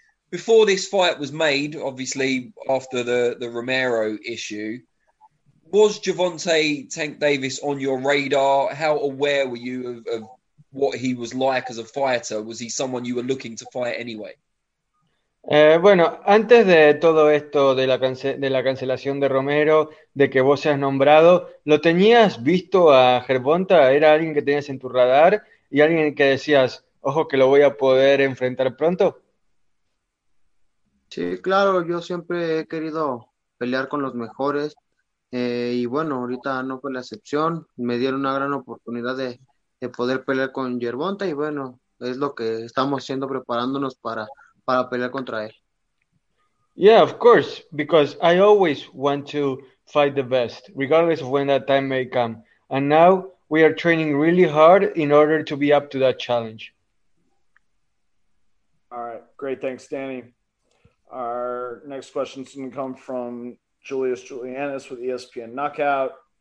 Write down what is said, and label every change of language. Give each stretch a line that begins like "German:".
English: Before this fight was made, obviously after the Romero issue, was Gervonta Tank Davis on your radar? How aware were you of what he was like as a fighter? Was he someone you were looking to fight anyway?
Spanish: Antes de todo esto de la cancelación de Romero, de que vos seas nombrado, ¿lo tenías visto a Gervonta? ¿Era alguien que tenías en tu radar y alguien que decías, ojo que lo voy a poder enfrentar pronto. Sí, claro, yo siempre he querido pelear con los mejores, y bueno, ahorita no fue la excepción, me dieron una gran oportunidad de poder pelear con Gervonta, y bueno, es lo que estamos haciendo, preparándonos para pelear contra él.
English: Yeah, of course, because I always want to fight the best, regardless of when that time may come. And now we are training really hard in order to be up to that challenge. All right, great. Thanks, Danny. Our next question is going to come from Julius Julianis with ESPN Knockout.